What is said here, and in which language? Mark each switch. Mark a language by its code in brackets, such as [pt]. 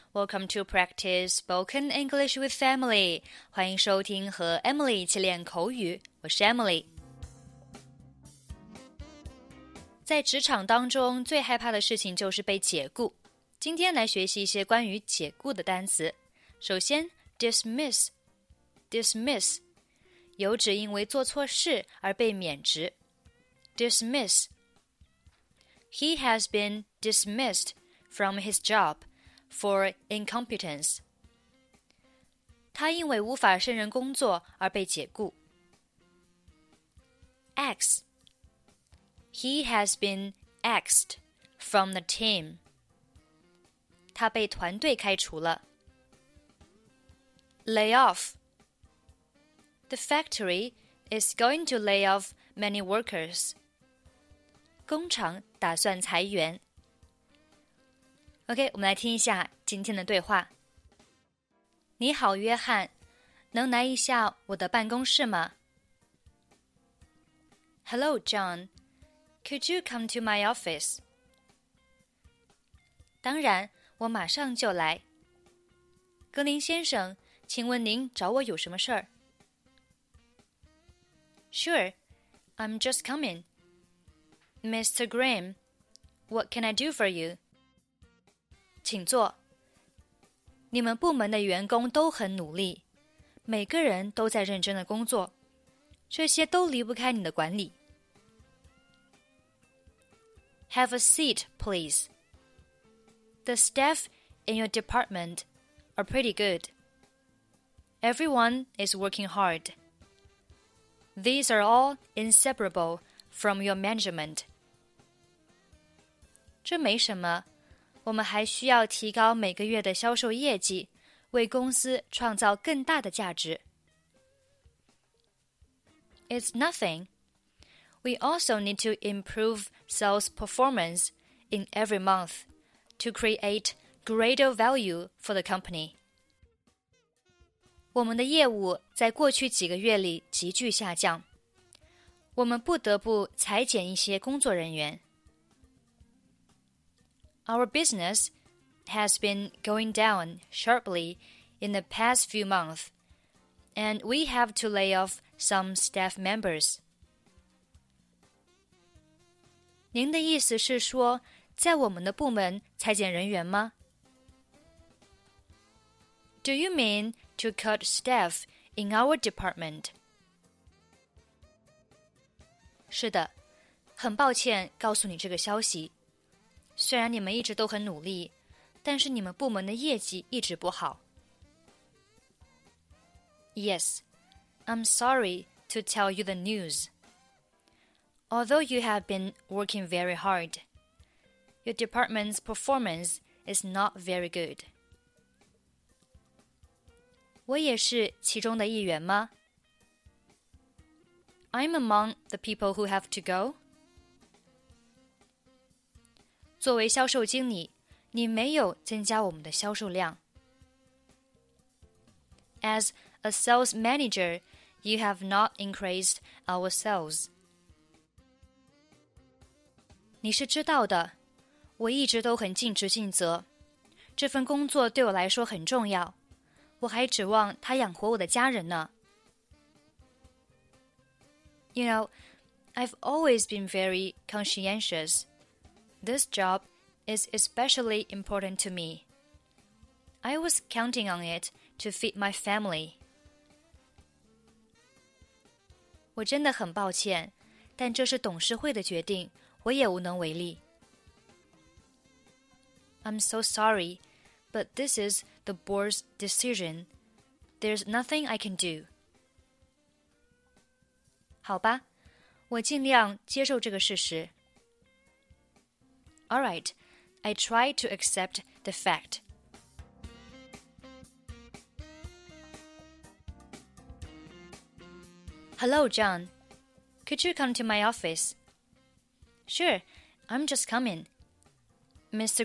[en] Welcome to practice spoken English with Emily. [zh] 欢迎收听和 Emily 一起练口语。我是 Emily。在职场当中，最害怕的事情就是被解雇。今天来学习一些关于解雇的单词。首先 ,dismiss, 有指因为做错事而被免职。 [en] dismiss, he has been dismissed. From his job for incompetence. [zh] 他因为无法胜任工作而被解雇。 [en] X. He has been X'd from the team. [zh] 他被团队开除了。 [en] Lay off. The factory is going to lay off many workers. [zh] 工厂打算裁员。 OK, 我们来听一下今天的对话。你好，约翰，能来一下我的办公室吗？ [en] Hello, John. Could you come to my office? [zh] 当然，我马上就来。格林先生，请问您找我有什么事儿？ [en] Sure, I'm just coming. Mr. Graham, what can I do for you? [zh] 请坐。你们部门的员工都很努力，每个人都在认真的工作，这些都离不开你的管理。 [en] Have a seat, please. The staff in your department are pretty good. Everyone is working hard. These are all inseparable from your management. [zh] 这没什么。我们还需要提高每个月的销售业绩，为公司创造更大的价值。 [en] It's nothing. We also need to improve sales performance in every month to create greater value for the company. [zh] 我们的业务在过去几个月里急剧下降，我们不得不裁减一些工作人员。 [en] Our business has been going down sharply in the past few months, and we have to lay off some staff members. [zh] 您的意思是说，在我们的部门裁减人员吗？ [en] Do you mean to cut staff in our department? [zh] 是的，很抱歉告诉你这个消息。虽然你们一直都很努力，但是你们部门的业绩一直不好。 [en] Yes, I'm sorry to tell you the news. Although you have been working very hard, your department's performance is not very good. [zh] 我也是其中的一员吗？ [en] I'm among the people who have to go. [zh] 作为销售经理，你没有增加我们的销售量。 [en] As a sales manager, you have not increased our sales. [zh] 你是知道的，我一直都很尽职尽责，这份工作对我来说很重要，我还指望它养活我的家人呢。 [en] You know, I've always been very conscientious. This job is especially important to me. I was counting on it to feed my family. [zh] 我真的很抱歉，但这是董事会的决定，我也无能为力。 [en] I'm so sorry, but this is the board's decision. There's nothing I can do. [zh] 好吧，我尽量接受这个事实。 [en] All right, I try to accept the fact. Hello, John. Could you come to my office? Sure, I'm just coming. Mr.